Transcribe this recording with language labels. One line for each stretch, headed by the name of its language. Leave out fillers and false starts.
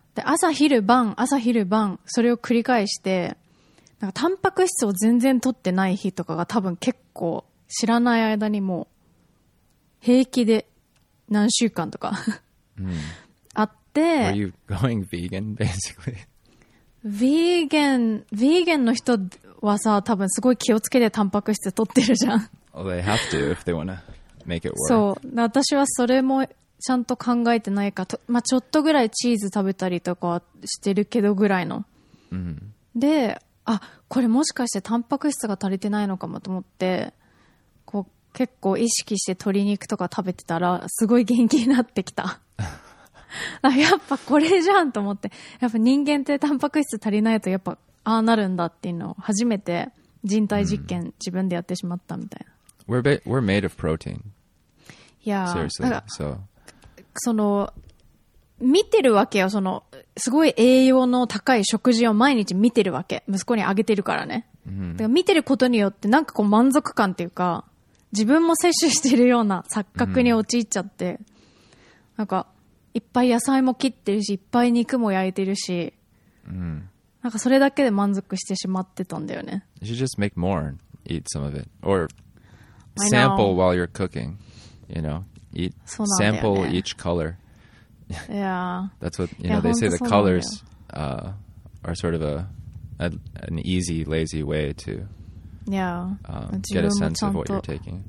Japanese: で朝昼晩朝昼晩それを繰り返して、なんかタンパク質を全然取ってない日とかが多分結構知らない間にもう平気で何週間とか、うん、あって。
English: Are you going vegan basically?
Japanese: ヴィーゲンの人はさ、多分すごい気をつけてタンパク質取ってるじゃん。
English: Well, they have to if they wanna make it work.
Japanese: そう、私はそれもちゃんと考えてないか、まあ、ちょっとぐらいチーズ食べたりとかしてるけどぐらいの、 mm-hmm. で、あ、これもしかしてタンパク質が足りてないのかもと思って、こう結構意識して鶏肉とか食べてたらすごい元気になってきたやっぱこれじゃんと思って、やっぱ人間ってタンパク質足りないとやっぱああなるんだっていうのを初めて人体実験自分でやってしまったみたいな。
English: We're made of protein. Yeah. Seriously. So.
Japanese: その見てるわけよ、そのすごい栄養の高い食事を毎日見てるわけ、息子にあげてるからね。だから見てることによってなんかこう満足感っていうか、自分も摂取してるような錯覚に陥っちゃって、なんか。いっぱい野菜も切ってるし、いっぱい肉も焼いてるし、うん、なんかそれだけで満足してしまってたんだよね。
English: You should just make more and eat some of it. Or sample while you're cooking. You know, eat, sample each color. Yeah. That's what, you know, they say the colors, are sort of an easy, lazy way to get a sense of what you're taking.